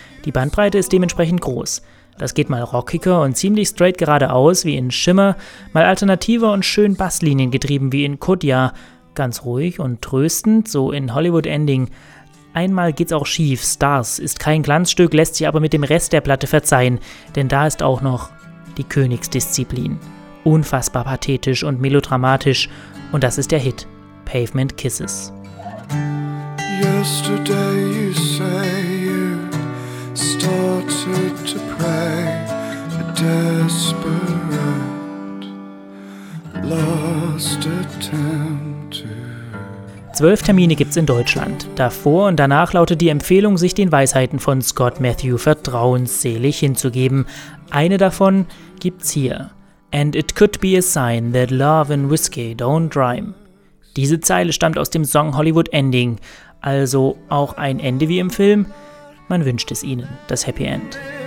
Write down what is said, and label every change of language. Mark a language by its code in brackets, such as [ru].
[de] Die Bandbreite ist dementsprechend groß. Das geht mal rockiger und ziemlich straight geradeaus, wie in Shimmer, mal alternativer und schön basslinien-getrieben, wie in Kodja, ganz ruhig und tröstend, so in Hollywood Ending. Einmal geht's auch schief, Stars ist kein Glanzstück, lässt sich aber mit dem Rest der Platte verzeihen, denn da ist auch noch die Königsdisziplin. Unfassbar pathetisch und melodramatisch, und das ist der Hit, Pavement Kisses. [en] Yesterday you say you started to pray a desperate last attempt to [de] 12 Termine gibt's in Deutschland. Davor und danach lautet die Empfehlung, sich den Weisheiten von Scott Matthew vertrauensselig hinzugeben. Eine davon gibt's hier. [en] And it could be a sign that love and whiskey don't rhyme. [de] Diese Zeile stammt aus dem Song Hollywood Ending. Also auch ein Ende wie im Film. Man wünscht es ihnen, das Happy End.